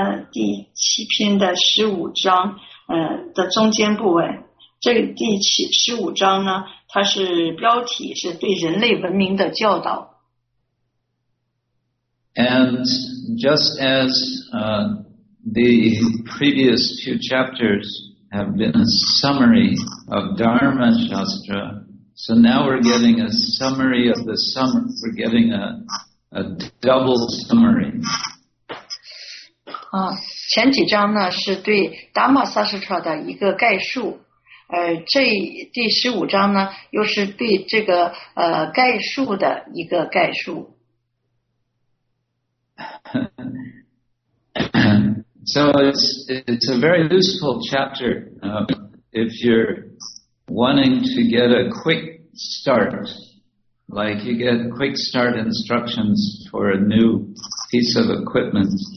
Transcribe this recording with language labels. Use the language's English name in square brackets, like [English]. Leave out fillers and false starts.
[Chinese] 第七篇的十五章，的中间部位。这个第七十五章呢，它是标题是对人类文明的教导。 [English] And just as the previous few chapters have been a summary of Dharma Shastra, so now we're getting a summary of the summary. We're getting a double summary. [Chinese] 前几章呢是对达玛萨斯特的一个概述，这第十五章呢又是对这个概述的一个概述。 [English] So it's a very useful chapter if you're wanting to get a quick start, like you get quick start instructions for a new piece of equipment.